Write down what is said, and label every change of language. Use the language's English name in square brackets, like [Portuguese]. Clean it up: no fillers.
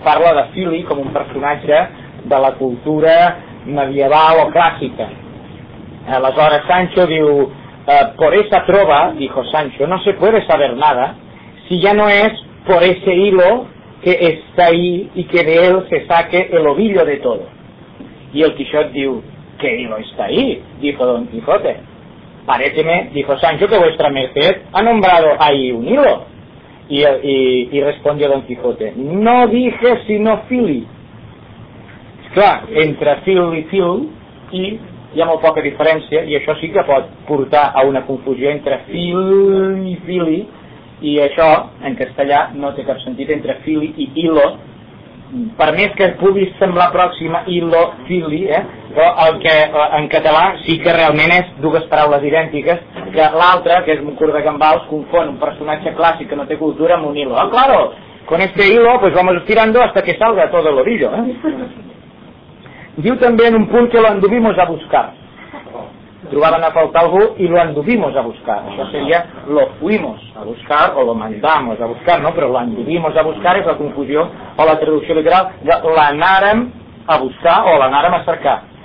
[Catalan] Parla de fili com un personatge de la cultura medieval o clàssica. Aleshores Sancho diu: [Spanish] por esa trova, dijo Sancho, no se puede saber nada si ya no es por ese hilo que está ahí y que de él se saque el ovillo de todo. Y [Catalan] el Quixot diu: [Spanish] ¿qué hilo está ahí?, dijo Don Quijote. Paréceme, dijo Sancho, que vuestra merced ha nombrado ahí un hilo. Y respondió Don Quijote: no dije sino fili. [Catalan] Clar, entre fil i fil, i hi ha molt poca diferència, i això sí que pot portar a una confusió entre fil i fili, i això en castellà no té cap sentit, entre fili i hilo, per més que pugui semblar pròxima hilo, fili, però el que en català sí que realment és dues paraules idèntiques, que l'altre, que és un curt de gambals, confon un personatge clàssic que no té cultura amb un hilo. [Spanish] Ah, claro, con este hilo pues vamos tirando hasta que salga todo el orillo. [Catalan] Diu també en un punt que [Spanish] lo anduvimos a buscar. [Catalan] Trobaven a faltar algú i lo anduvimos a buscar. Això seria [Spanish] lo fuimos a buscar [Catalan] o [Spanish] lo mandamos a buscar, [Catalan] no? Però [Spanish] lo anduvimos a buscar [Catalan] és la confusió o la traducció literal de l'anàrem a buscar o l'anàrem a cercar.